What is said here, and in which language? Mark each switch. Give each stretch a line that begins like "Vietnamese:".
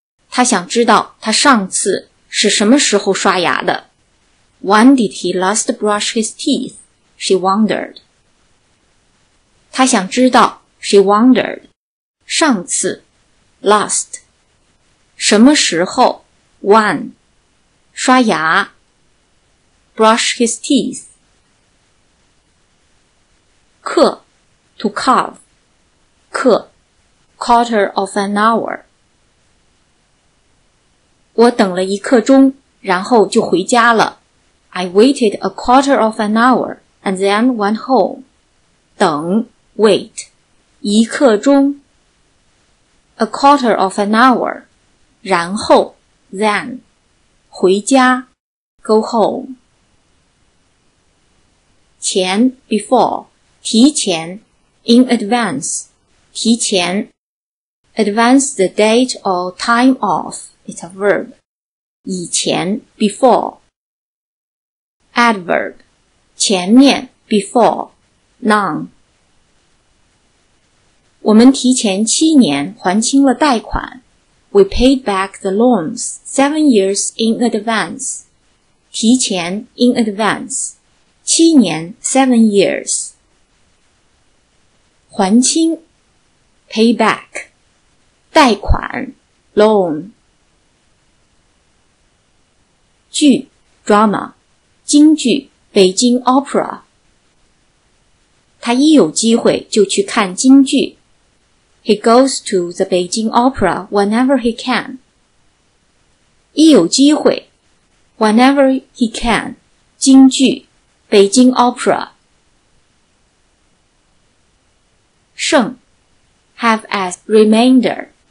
Chinese: 他想知道他上次是什么时候刷牙的。
English: When did he last brush his teeth? She wondered.
Chinese: 他想知道
English: She wondered. 上次 Last. 什么时候 When. 刷牙 Brush his teeth. 刻 To carve. 刻 Quarter of an hour.
Chinese: 我等了一刻钟然后就回家了。
English: I waited a quarter of an hour and then went home. 等 Wait. 一刻钟 A quarter of an hour. 然后 Then. 回家 Go home. 前 Before. 提前 In advance. 提前 Advance the date or time off. It's a verb. 以前 before. Adverb. 前面 before. Noun.
Chinese: 我们提前七年还清了贷款。
English: We paid back the loans 7 years in advance. 提前 in advance. 七年 7 years. 还清 pay back. 贷款 loan. 剧 drama, 京剧北京 opera.
Chinese: 他一有机会就去看京剧。
English: He goes to the Beijing opera whenever he can. 一有机会 whenever he can, 京剧北京 opera. 剩 have as remainder.